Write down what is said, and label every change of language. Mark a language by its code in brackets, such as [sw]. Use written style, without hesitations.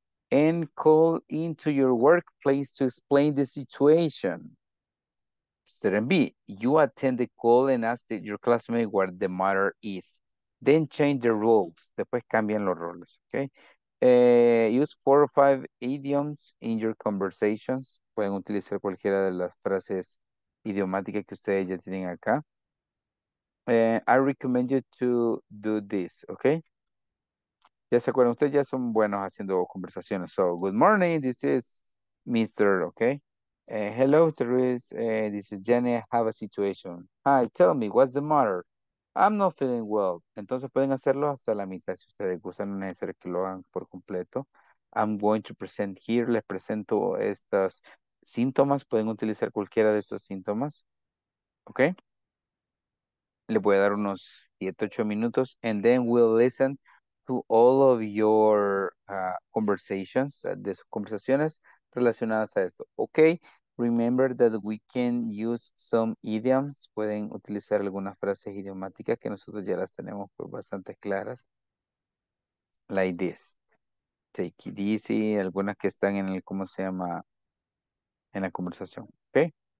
[en] And call into your workplace to explain the situation. Student B, you attend the call and ask the, your classmate what the matter is. Then change the roles. Después cambian los roles, okay? Use four or five idioms in your conversations. [es] Pueden utilizar cualquiera de las frases idiomática que ustedes ya tienen acá. [en] I recommend you to do this, okay? Ya se acuerdan, ustedes ya son buenos haciendo conversaciones. So, good morning, this is Mr., okay? Hello, Therese, this is Jenny, I have a situation. Hi, tell me, what's the matter? I'm not feeling well. [es] Entonces pueden hacerlo hasta la mitad, si ustedes gustan, no es necesario que lo hagan por completo. [en] I'm going to present here, les presento estas... [es] síntomas, pueden utilizar cualquiera de estos síntomas, ok, le voy a dar unos 7-8 minutos, and then we'll listen to all of your conversations, de sus conversaciones relacionadas a esto, ok, remember that we can use some idioms, pueden utilizar algunas frases idiomáticas que nosotros ya las tenemos pues, bastante claras, like this, take it easy, algunas que están en el, ¿cómo se llama?, en la conversación, okay?